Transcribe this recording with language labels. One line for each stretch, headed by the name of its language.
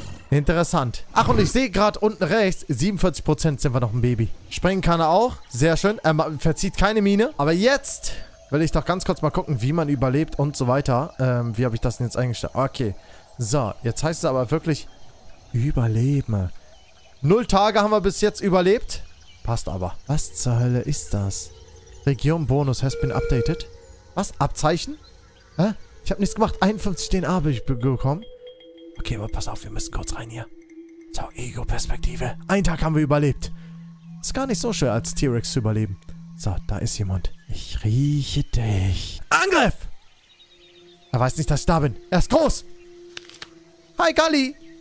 German: Interessant. Ach, und ich sehe gerade unten rechts, 47% sind wir noch ein Baby. Sprengen kann er auch. Sehr schön. Er verzieht keine Miene. Aber jetzt will ich doch ganz kurz mal gucken, wie man überlebt und so weiter. Wie habe ich das denn jetzt eingestellt? Okay. So, jetzt heißt es aber wirklich überleben. 0 Tage haben wir bis jetzt überlebt. Passt aber. Was zur Hölle ist das?
English: Region Bonus has been updated.
German: Was? Abzeichen? Hä? Ich habe nichts gemacht. 51 DNA habe ich bekommen. Okay, aber pass auf, wir müssen kurz rein hier. Zur Ego-Perspektive. 1 Tag haben wir überlebt. Ist gar nicht so schwer, als T-Rex zu überleben. So, da ist jemand. Ich rieche dich. Angriff! Er weiß nicht, dass ich da bin. Er ist groß! Hi, Gully!